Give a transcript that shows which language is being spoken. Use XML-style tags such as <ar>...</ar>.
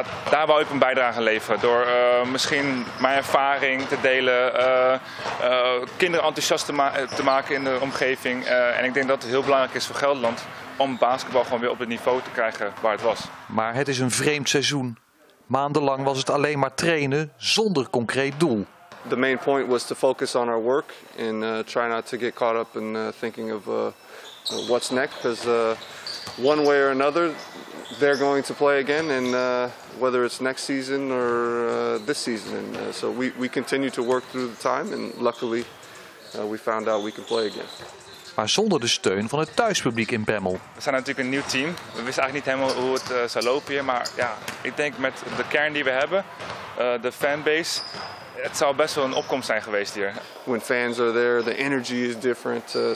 <nl>Daar wou ik een bijdrage leveren door misschien mijn ervaring te delen, kinderen enthousiast te maken in de omgeving. En ik denk dat het heel belangrijk is voor Gelderland om basketbal gewoon weer op het niveau te krijgen waar het was. Maar het is een vreemd seizoen. Maandenlang was het alleen maar trainen zonder concreet doel.</nl> <en>The main point was to focus on our work and try not to get caught up in thinking of what's next. Because one way or another, they're going to play again, and whether it's next season or this season. And, so we continue to work through the time, and luckily we found out we can play again.</en> <nl>Maar zonder de steun van het thuispubliek in Bemmel. We zijn natuurlijk een nieuw team. We wisten eigenlijk niet helemaal hoe het zou lopen hier, maar ja, ik denk met de kern die we hebben, de fanbase. Het zou best wel een opkomst zijn geweest hier.</nl> <en>When fans are there, the energy is different.</en>